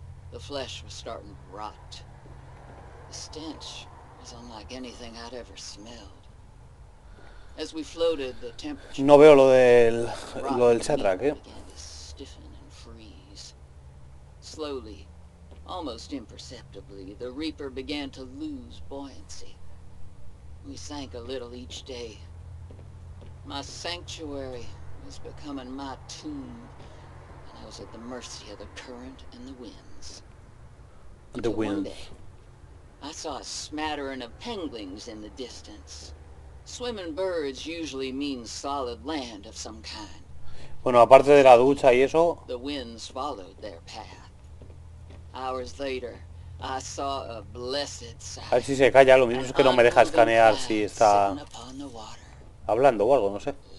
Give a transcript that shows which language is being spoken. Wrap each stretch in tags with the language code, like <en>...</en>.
<en>The flesh was starting to rot. The stench was unlike anything I'd ever smelled. As we floated, the temperature...</en> <es>No veo lo del Seatrack, ¿eh?</es> <en>...began to stiffen and freeze. Slowly, almost imperceptibly, the Reaper began to lose buoyancy. We sank a little each day. My sanctuary was becoming my tomb. I was at the mercy of the current and the winds. The winds. One day, I saw a smattering of penguins in the distance. Swimming birds usually mean solid land of some kind.</en> <es>Bueno, aparte de la ducha y eso.</es> <en>The winds followed their path. Hours later, I saw a blessed sight.</en> <es>A ver si se calla, lo mismo es que no me deja escanear si está hablando o algo, no sé.</es>